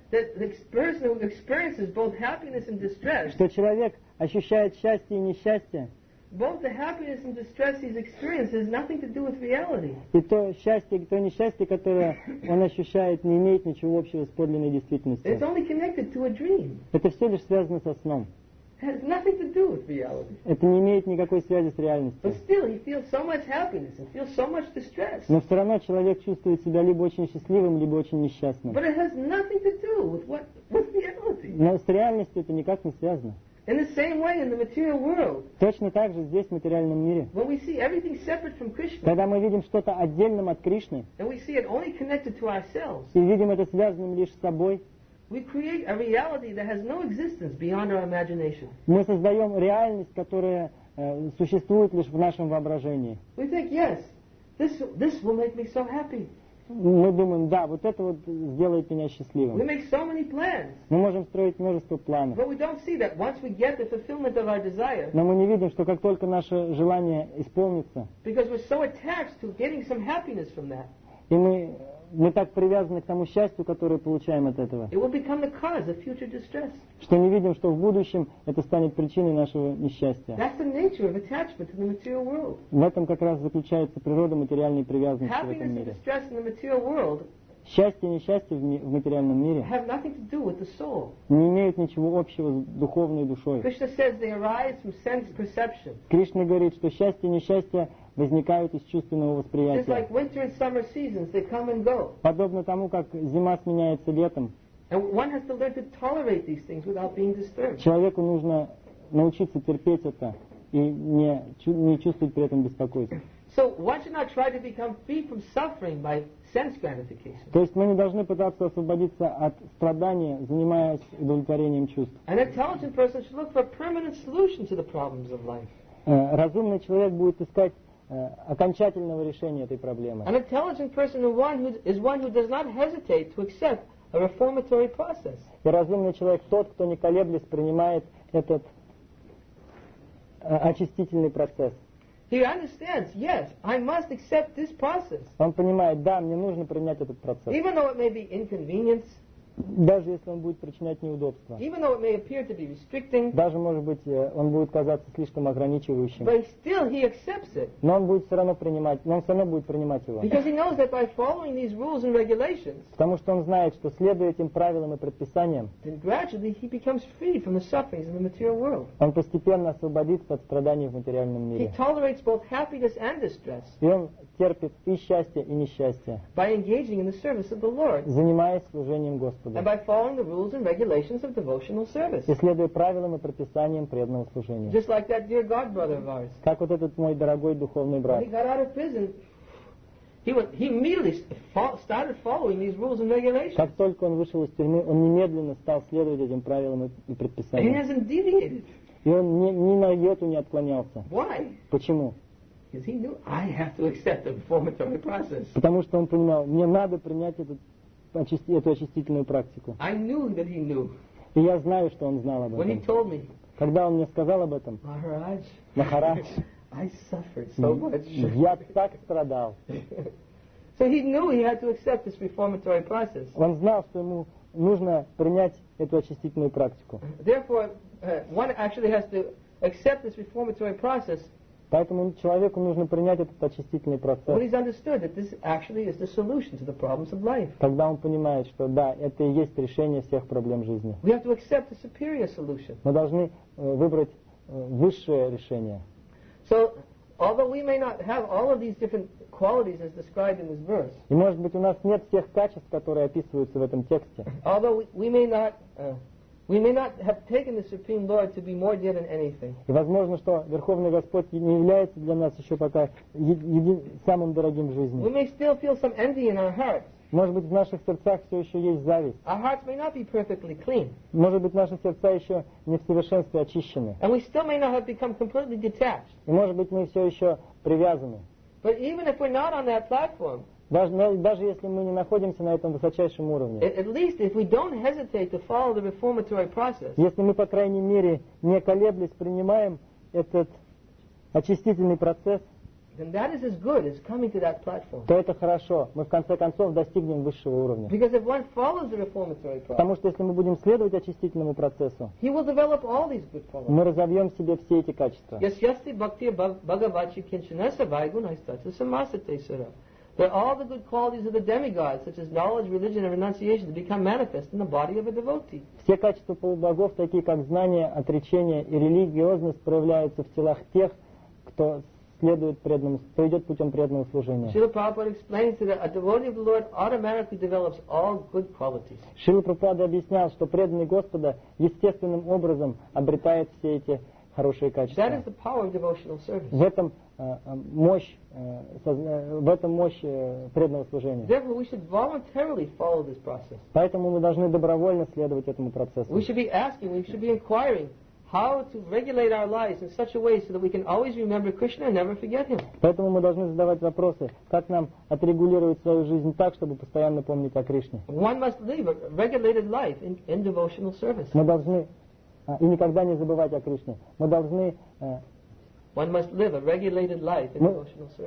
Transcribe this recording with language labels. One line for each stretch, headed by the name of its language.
English: That the person who experiences both happiness and distress.
Russian: Что человек ощущает счастье и несчастье.
English: Both the happiness and distress he's experienced has nothing to do with reality.
Russian: И то счастье, то несчастье, которое он ощущает, не имеет ничего общего с подлинной действительностью.
English: It's only connected to a dream.
Russian: Это все лишь связано со сном.
English: Has nothing to do with reality.
Russian: Это не имеет никакой связи с реальностью.
English: But still, he feels so much happiness and feels so much distress.
Russian: Но все равно человек чувствует себя либо очень счастливым, либо очень несчастным.
English: But it has nothing to do with reality.
Russian: Но с реальностью это никак не связано.
English: In the same way, in the material world.
Russian: Точно так же здесь, в материальном мире.
English: When we see everything separate from Krishna.
Russian: Когда мы видим что-то отдельным от Кришны.
English: And we see it only connected to ourselves.
Russian: И видим это связанным лишь с собой.
English: We create a reality that has no existence beyond our imagination.
Russian: Мы создаем реальность, которая существует лишь в нашем воображении.
English: We think, yes, this will make me so happy.
Russian: Мы думаем, да, вот это вот сделает меня счастливым.
English: We make so many plans.
Russian: Мы можем строить множество планов.
English: But we don't see that once we get the fulfillment of our desire.
Russian: Но мы не видим, что как только наше желание исполнится.
English: Because we're so attached to getting some happiness from that.
Russian: И мы так привязаны к тому счастью, которое получаем от этого.
English: It will become the cause of future distress.
Russian: Что не видим, что в будущем это станет причиной нашего несчастья.
English: That's the nature of attachment to the material world.
Russian: В этом как раз заключается природа материальной привязанности
English: Happiness
Russian: в этом мире.
English: And distress in the material world
Russian: счастье и несчастье в материальном мире
English: have nothing to do with the soul.
Russian: Не имеют ничего общего с духовной душой.
English: Krishna says they arise from sense perception.
Russian: Кришна говорит, что счастье и несчастье возникают из чувственного восприятия.
English: Just like winter and summer seasons, they come and go.
Russian: Подобно тому, как зима сменяется летом.
English: And one has to learn to tolerate these things without being disturbed.
Russian: Человеку нужно научиться терпеть это и не чувствовать при этом беспокойства.
English: So one should not try to become free from suffering by sense gratification.
Russian: То есть мы не должны пытаться освободиться от страдания, занимаясь удовлетворением чувств.
English: An intelligent person should look for a permanent solution to the problems of life.
Russian: Разумный человек будет искать окончательного решения этой проблемы.
English: An intelligent person is one who does not hesitate to accept a reformatory process.
Russian: И разумный человек тот, кто не колеблясь принимает этот очистительный процесс.
English: He understands, yes, I must accept this process.
Russian: Он понимает, да, мне нужно принять этот процесс.
English: Even though it may be inconvenience.
Russian: даже если он будет причинять неудобства.
English: Even though it may appear to be restricting,
Russian: даже, может быть, он будет казаться слишком ограничивающим.
English: But still he accepts it.
Russian: Но он будет все равно принимать, но он все равно будет принимать его.
English: Because he knows that by following these rules and regulations,
Russian: потому что он знает, что следуя этим правилам и предписаниям,
English: then gradually he becomes freed from the sufferings in the material world.
Russian: Он постепенно освободится от страданий в материальном мире.
English: He tolerates both happiness and distress.
Russian: И он терпит и счастье, и несчастье.
English: By engaging in the service of the Lord.
Russian: Занимаясь служением Господа.
English: And by following the rules and regulations of devotional service.
Russian: И следуя правилам и предписаниям преданного служения.
English: Just like that dear God brother of ours.
Russian: Как вот этот мой дорогой духовный брат.
English: When he got out of prison, he immediately started following these rules and regulations.
Russian: Как только он вышел из тюрьмы, он немедленно стал следовать этим правилам и предписаниям.
English: And he hasn't deviated.
Russian: И он ни на йоту не отклонялся.
English: Why?
Russian: Почему?
English: Because he knew I have to accept the reformatory process.
Russian: Потому что он понимал, мне надо принять этот эту очистительную практику.
English: I knew that he knew.
Russian: И я знаю, что он знал об
English: when He told me,
Russian: когда он мне сказал об этом,
English: Махарадж, I suffered so much.
Russian: Я так страдал.
English: So he knew he had to accept this reformatory process.
Russian: Он знал, что ему нужно принять эту очистительную практику.
English: Therefore, one actually has to accept this reformatory process.
Russian: Поэтому человеку нужно принять этот очистительный процесс. Тогда он понимает, что да, это и есть решение всех проблем жизни.
English: We have to accept a superior solution.
Russian: Мы должны выбрать высшее решение.
English: So, although we may not have all of these different qualities as described in this verse.
Russian: И может быть, у нас нет всех качеств, которые описываются в этом тексте.
English: Although we may not have taken the Supreme Lord to be more dear than anything.
Russian: И возможно, что Верховный Господь не является для нас еще пока самым дорогим в жизни.
English: We may still feel some envy in our hearts.
Russian: Может быть, в наших сердцах все еще есть зависть.
English: Our hearts may not be perfectly clean.
Russian: Может быть, наши сердца еще не в совершенстве очищены.
English: And we still may not have become completely detached.
Russian: И может быть, мы все еще привязаны.
English: But even if we're not on that platform,
Russian: даже если мы не находимся на этом высочайшем уровне,
English: at least if we don't hesitate to follow the reformatory process,
Russian: если мы, по крайней мере, не колеблясь, принимаем этот очистительный процесс,
English: then that is as good as coming to that platform.
Russian: То это хорошо. Мы, в конце концов, достигнем высшего уровня.
English: Because if one follows the reformatory process,
Russian: потому что если мы будем следовать очистительному процессу,
English: he will develop all these good qualities.
Russian: Мы разовьем в себе все эти качества.
Sanskrit: Yes, yasti bhakti bhagavachi kinchanasa vaigunaistata samasate sura.
English: That all the good qualities of the demigods, such as knowledge, religion, and renunciation, become manifest in the body of a devotee.
Russian: Все качества полубогов, такие как знание, отречение и религиозность, проявляются в телах тех, кто следует преданному, кто идет путем преданного служения.
English: Srila Prabhupada explains that a devotee of the Lord automatically develops all good qualities.
Russian: Srila Prabhupada объяснял, что преданный Господа естественным образом обретает все эти хорошие качества.
English: That is the power of devotional service.
Russian: В этом мощь преданного служения.
English: Therefore, we should voluntarily follow this process.
Russian: Поэтому мы должны добровольно следовать этому процессу.
English: We should be asking, we should be inquiring how to regulate our lives in such a way so that we can always remember Krishna and never forget him.
Russian: Поэтому мы должны задавать вопросы, как нам отрегулировать свою жизнь так, чтобы постоянно помнить о Кришне.
English: One must live a regulated life in devotional service.
Russian: Мы должны и никогда не забывать о Кришне. Мы должны
English: One must live a regulated life in devotional service.